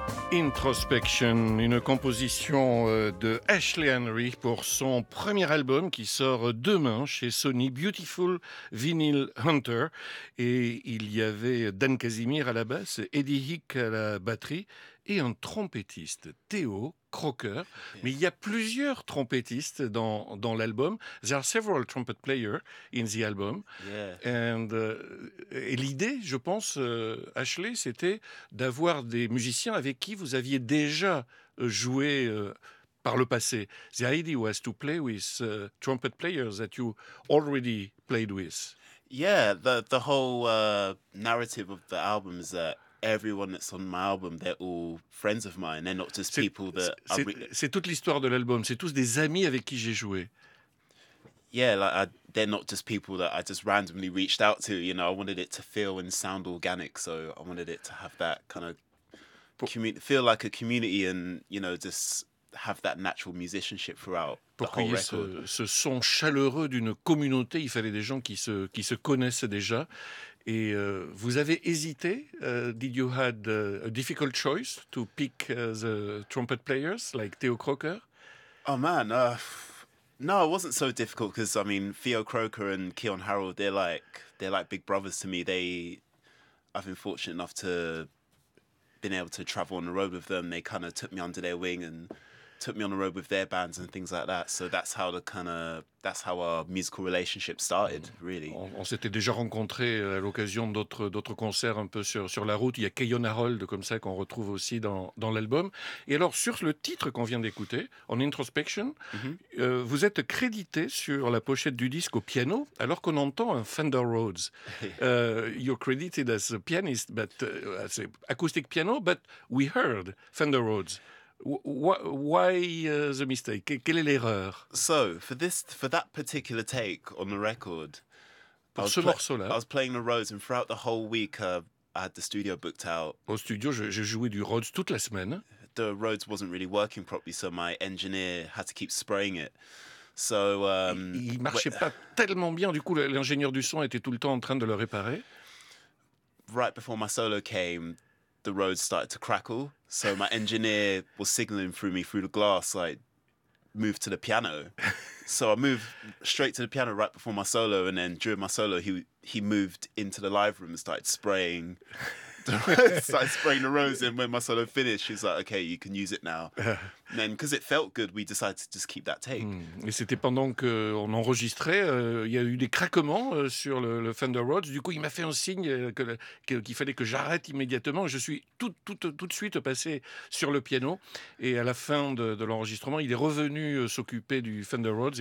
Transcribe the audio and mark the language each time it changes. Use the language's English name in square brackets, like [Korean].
[French] Introspection, une composition de Ashley Henry pour son premier album qui sort demain chez Sony, Beautiful Vinyl Hunter. Et il y avait Dan Casimir à la basse, Eddie Hick à la batterie et un trompettiste, Théo Crocker. Mais il y a plusieurs trompettistes dans l'album. [English] There are several trumpet players in the album. Yeah. [French] Et l'idée, je pense, Ashley, c'était d'avoir des musiciens avec qui vous aviez déjà joué par le passé. [English] The idea was to play with trumpet players that you already played with. Yeah, the whole narrative of the album is that everyone that's on my album, they're all friends of mine. They're not just people that... [French] C'est toute l'histoire de l'album. C'est tous des amis avec qui j'ai joué. [English] Yeah, like they're not just people that I just randomly reached out to. You know, I wanted it to feel and sound organic. So I wanted it to have that kind of... feel like a community and, you know, just have that natural musicianship throughout the whole record. [French] Pour ce son chaleureux d'une communauté, il fallait des gens qui se connaissent déjà. Et vous avez hésité? [English] Did you had a difficult choice to pick the trumpet players like Theo Crocker? Oh man, no, it wasn't so difficult because I mean Theo Crocker and Keon Harold, they're like big brothers to me. I've been fortunate enough to been able to travel on the road with them. They kind of took me under their wing and took me on the road with their bands and things like that. So that's how our musical relationship started, really. [French] On s'était déjà rencontrés à l'occasion d'autres concerts un peu sur la route. Il y a Keyon Harold, comme ça, qu'on retrouve aussi dans l'album. Et alors, sur le titre qu'on vient d'écouter, On Introspection, vous êtes crédité sur la pochette du disque au piano, alors qu'on entend un Fender Rhodes. [English] You're credited as a pianist, as an acoustic piano, but we heard Fender Rhodes. Why the mistake? [French] Quelle est l'erreur? [English] So for that particular take on the record, I was playing the Rhodes, and throughout the whole week, I had the studio booked out. [French] Au studio, j'ai joué du Rhodes toute la semaine. [English] The Rhodes wasn't really working properly, so my engineer had to keep spraying it. So [French] il marchait pas tellement bien. Du coup, l'ingénieur du son était tout le temps en train de le réparer. [English] Right before my solo came, the Rhodes started to crackle. So my engineer was signaling through me through the glass, like, move to the piano. So I moved straight to the piano right before my solo, and then during my solo, he moved into the live room and started spraying the rose. And when my solo finished, he's like, okay, you can use it now. And then, because it felt good, we decided to just keep that take. [French] Et c'était pendant qu'on enregistrait, il y a eu des craquements sur le Fender Rhodes. Du coup, il m'a fait un signe qu'il fallait que j'arrête immédiatement. Je suis tout de suite passé sur le piano. Et à la fin de l'enregistrement, il est revenu s'occuper du Fender Rhodes.